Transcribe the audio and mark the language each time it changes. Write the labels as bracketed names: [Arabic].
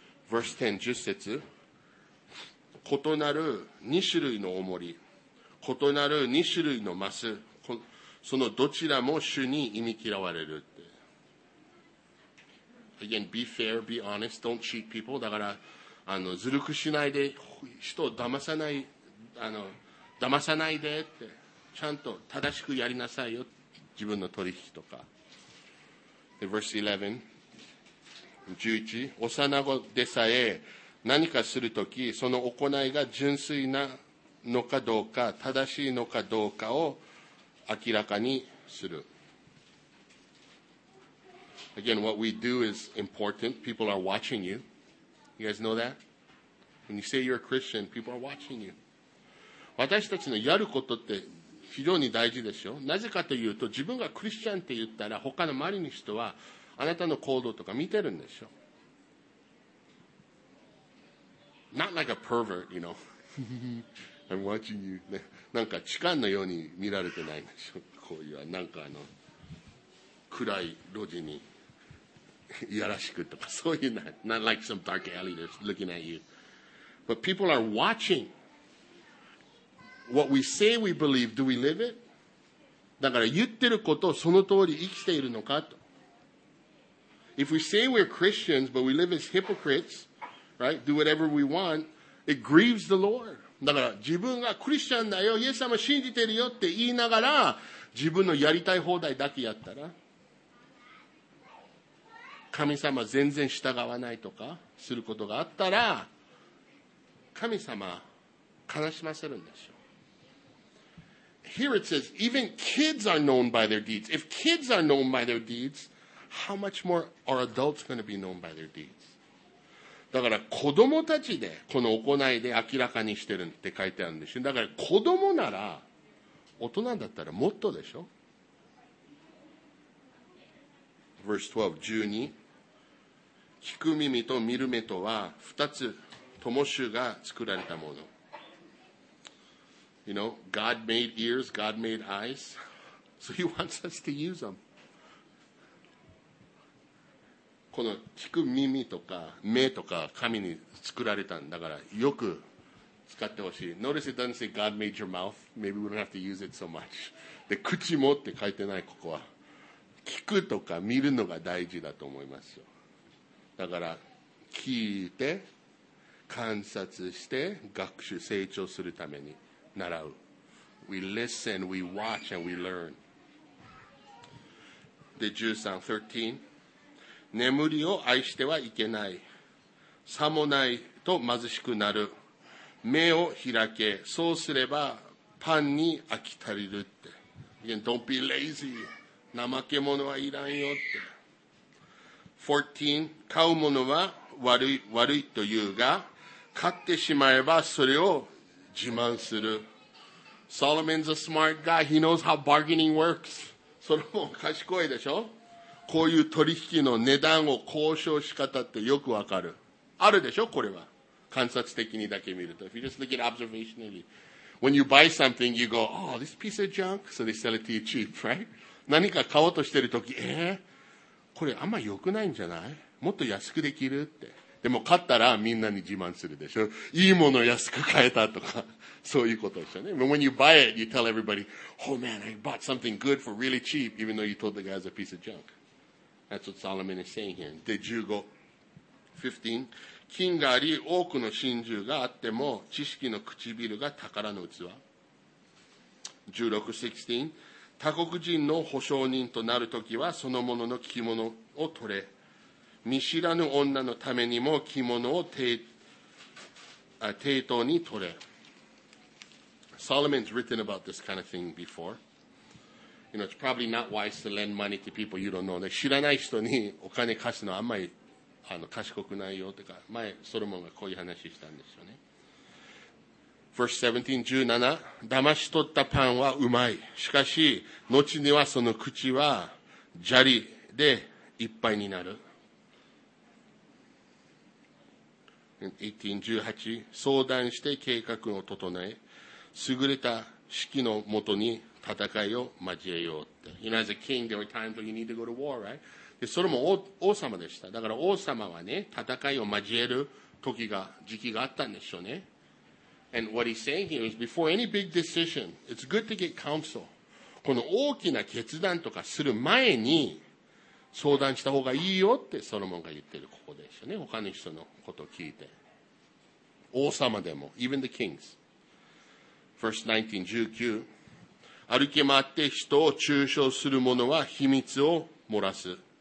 [English] Verse 10, [Japanese] 10節。異なる2種類の重り、異なる2種類のマス、そのどちらも主に忌み嫌われるって。 [English] Again, be fair, be honest, don't cheat people. [Japanese] だから、あの、ずるくしないで、人を騙さない、あの、騙さないでって、ちゃんと正しくやりなさいよ、自分の取引とか。 [English] Verse 11, [Japanese] 11、幼子でさえ何かするとき、その行いが純粋なのかどうか、正しいのかどうかを明らかにする。 [English] Again, what we do is important. People are watching you. You guys know that? When you say you're a Christian, people are watching you. [Japanese] 私たちのやることって非常に大事でしょ。なぜかというと、自分がクリスチャンって言ったら、他の周りの人はあなたの行動とか見てるんでしょ。 [English] Not like a pervert, you know. I'm watching you. [Japanese] なんか痴漢のように見られてないんでしょ。こういう、なんかあの、暗い路地に。いやらしくとかそういうな、 [English] not like some dark alley that's looking at you. But people are watching. What we say we believe, do we live it? [Japanese] だから言ってることをその通り生きているのかと。 [English] If we say we're Christians, but we live as hypocrites, right? Do whatever we want, it grieves the Lord. [Japanese] だから自分がクリスチャンだよ、イエス様信じてるよって言いながら、自分のやりたい放題だけやったら、神様全然従わないとかすることがあったら、神様悲しませるんでしょう。 [English] Here it says, even kids are known by their deeds. If kids are known by their deeds, how much more are adults going to be known by their deeds? [Japanese] だから子供たちでこの行いで明らかにしてるって書いてあるんでしょ。だから子供なら、大人だったらもっとでしょ。 Verse 12, 12聞く耳と見る目とは二つとも主が作られたもの。 [English] You know, God made ears, God made eyes, so He wants us to use them. [Japanese] この聞く耳とか目とか神に作られたんだからよく使ってほしい。 [English] Notice it doesn't say God made your mouth. Maybe we don't have to use it so much. [Japanese] で口もって書いてないここは。聞くとか見るのが大事だと思いますよ。だから聞いて観察して学習成長するために習う。 [English] We listen, we watch, and we learn. [Japanese] で13、眠りを愛してはいけない。さもないと貧しくなる。目を開け。そうすればパンに飽き足りるって。 [English] Again, don't be lazy. [Japanese] 怠け者はいらんよって。14, 買うものは悪いと言うが、買ってしまえばそれを自慢する。 [English] Solomon's a smart guy. He knows how bargaining works. [Japanese] ソロモン賢いでしょ? こういう取引の値段を交渉し方ってよくわかる。あるでしょ?これは。観察的にだけ見ると。 [English] If you just look at observationally. When you buy something, you go, oh, this piece of junk. So they sell it to you cheap, right? [Japanese] 何か買おうとしてるとき、これあんま良くないんじゃない? もっと安くできるって。でも買ったらみんなに自慢するでしょ。いいもの安く買えたとか、そういうことでしょね。 [English] But when you buy it, you tell everybody, oh man, I bought something good for really cheap, even though you told the guy it's a piece of junk. That's what Solomon is saying here. [Japanese] で、15, 15, 金があり多くの真珠があっても知識の唇が宝の器。 16, 16,他国人の保証人となるときはそのものの着物を取れ、見知らぬ女のためにも着物を抵当に取れ。 [English] Solomon's written about this kind of thing before. You know, it's probably not wise to lend money to people you don't know. [Japanese] 知らない人にお金貸すのはあんまりあの賢くないよとか、前ソロモンがこういう話したんですよね。 Verse 17, 17, 騙し取ったパンはうまい。しかし、後にはその口は砂利でいっぱいになる。 18, 18, 相談して計画を整え、優れた指揮のもとに戦いを交えようって。 [English] You know, as a king, there were times when you need to go to war, right? [Japanese] で、それも王様でした。だから王様はね、戦いを交える時が、時期があったんでしょうね。 [English] And what he's saying here is before any big decision, it's good to get counsel. [Japanese] この大きな決断とかする前に相談した方がいいよってソロモンが言ってるここでしょうね。他の人のことを聞いて。王様でも、 [English] even the kings. Verse 19, [Japanese] 歩き回って人を抽象する者は秘密を漏らす。